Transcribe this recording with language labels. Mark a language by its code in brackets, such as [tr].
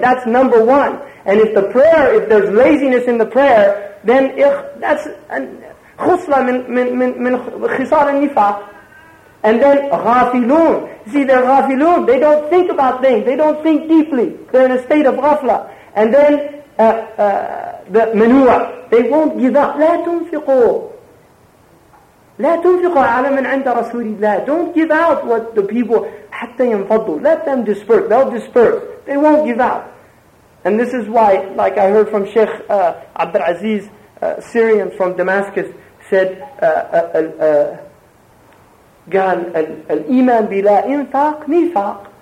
[en] That's number one. And if the prayer, if there's laziness in the prayer, then that's [ar] khusla min khisar al-nifaq. [en] And then ghafilun. See, they're ghafilun. They don't think about things. They don't think deeply. They're in a state of ghafla. And then the manu'a. They won't give up. [ar] لا تنفقوا. لا تنفقوا على من عند رسول الله. [en] Don't give out what the people [ar] حتى ينفضوا. [en] Let them disperse. They'll disperse. They won't give out. And this is why, like I heard from Sheikh Abd al-Aziz, Syrian from Damascus, said, [ar] قال الإيمان بلا إنفاق نفاق.